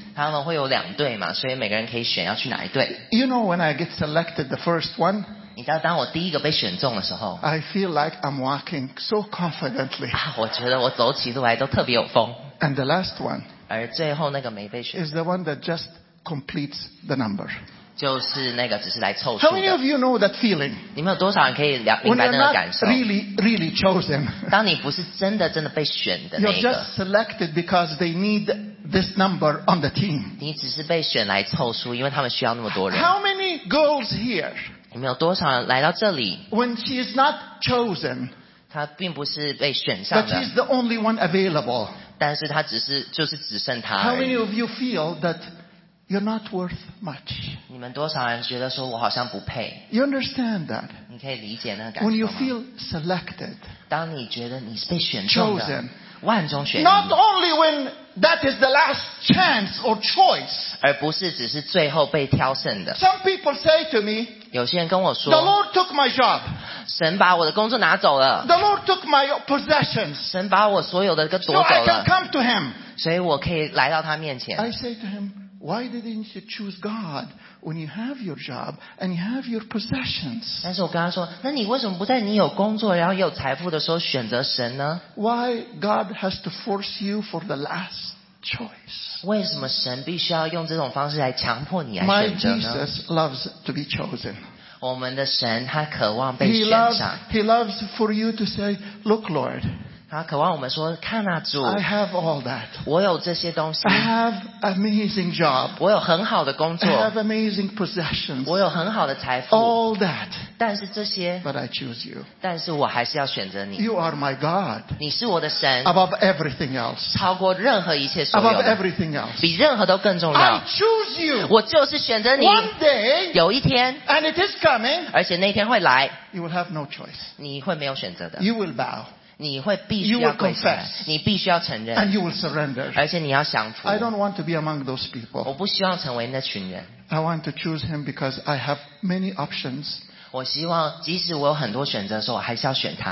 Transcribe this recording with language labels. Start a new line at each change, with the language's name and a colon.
Chinese: 他们会有两队嘛，所以每个人可以选要去哪一队。
English: You know when I get selected the first one.
Chinese: 你知道当我第一个被选中的时候
English: I feel like I'm walking so confidently
Chinese: 我觉得我走起路来都特别有风
English: And the last one
Chinese: 而最后那个没被选
English: is the one that just completes the number
Chinese: 就是那个只是来凑数的
English: How many of you know that feeling?
Chinese: 你们有多少人可以明白那个感受
English: really, really chosen
Chinese: 当你不是真的真的被选的那个
English: You're just selected because they need this number on the team
Chinese: 你只是被选来凑数因为他们需要那么多人
English: How many goals here?
Chinese: 你们有多少人来到这里
English: ？When she is not chosen，
Chinese: 她并不是被选上的。
English: But she's the only one available。
Chinese: 但是她只是就是只剩她。
English: How many of you feel that you're not worth much？
Chinese: 你们多少人觉得说我好像不配
English: ？You understand that？
Chinese: 你可以理解那个感受。
English: When you feel selected，
Chinese: 当你觉得你是被选中的，万中选一。
English: Not only when that is the last chance or choice，
Chinese: 而不是只是最后被挑剩的。
English: Some people say to me。
Chinese: 有些人跟我说
English: The Lord took my job.
Chinese: 神把我的工作拿走了
English: The Lord took my possessions.
Chinese: 神把我所有的都夺走了
English: So I can come to him.
Chinese: 所以我可以来到他面前
English: I say to him, why didn't you choose God when you have your job and you have your possessions?
Chinese: 但是我跟他说那你为什么不在你有工作然后有财富的时候选择神呢
English: Why God has to force you for the last choice?
Chinese: 为什么神必须要用这种方式来强迫你来选择呢
English: My Jesus loves to be chosen.
Chinese: 我们的神他渴望被选上。
English: He loves for you to say, look Lord.
Chinese: 他渴望我们说看啊主
English: I have all that.
Chinese: 我有这些东西
English: I have amazing job.
Chinese: 我有很好的工作
English: I have amazing possessions.
Chinese: 我有很好的财富
English: All that.
Chinese: 但是这些
English: But I choose you.
Chinese: 但是我还是要选择你
English: You are my God.
Chinese: 你是我的神
English: Above everything else.
Chinese: 超过任何一切所有
English: Above everything else.
Chinese: 比任何都更重要
English: I choose you.
Chinese: 我就是选择你
English: One day.
Chinese: 有一天
English: And it is coming.
Chinese: 而且那天会来
English: You will have no choice.
Chinese: 你会没有选择的
English: You will bow.
Chinese: 你会必须要跪下来，你必须要承认
English: and you will surrender.
Chinese: 而且你要降服
English: I don't want to be among those people.
Chinese: 我不希望成为那群人
English: I want to choose him because I have many options.
Chinese: 我希望即使我有很多选择的时候我还是要选他